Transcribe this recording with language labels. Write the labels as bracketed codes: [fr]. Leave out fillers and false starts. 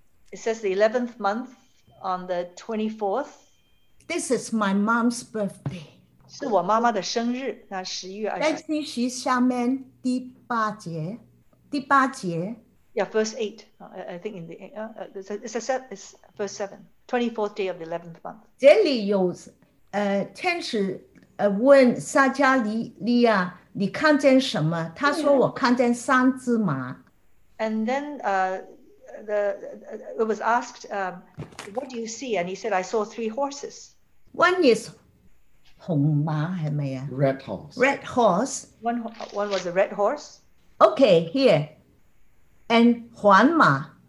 [en] It says the 11th month on the 24th. This is my mom's birthday. [zh] 是我妈妈的生日, 那11月24日在信息下面第八节 第八节 [en] Yeah, verse 8. I think in the it's verse 7. 24th day of the 11th month. [zh] 这里有 天使 问撒迦利亚, 你看见什么? 他说我看见三只马。 [en] And then it was asked, what do you see? And he said, I saw three horses. One is [zh] 红马,是吗? [en] Red horse. Red horse. One was a red horse. Okay, here. And 黄马。